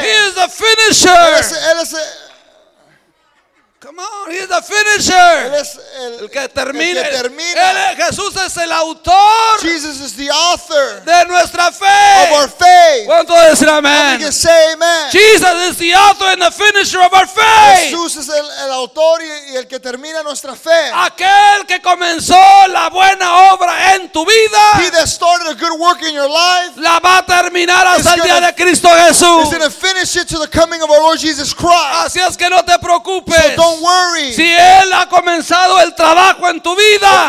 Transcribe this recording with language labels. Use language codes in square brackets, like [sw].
[en] He is the finisher. Come on, he is the finisher. [es] Él es el que termina. El que termina. Él es, Jesús es el autor. [en] Jesus is the author. [es] De nuestra fe. [en] Of our faith. [es] ¿Cuánto dicen amén? [en] We can say amen. Jesus is the author and the finisher of our faith. [es] Jesús es el autor y el que termina nuestra fe. Aquel que comenzó la buena obra en tu vida. [en] He that started a good work in your life, [es] la va a terminar hasta el día de Cristo Jesús. [en] It's going to finish it to the coming of our Lord Jesus Christ. [es] Así es que no te preocupes. [en] So don't worry. [es] Si Él ha comenzado el trabajo en tu vida,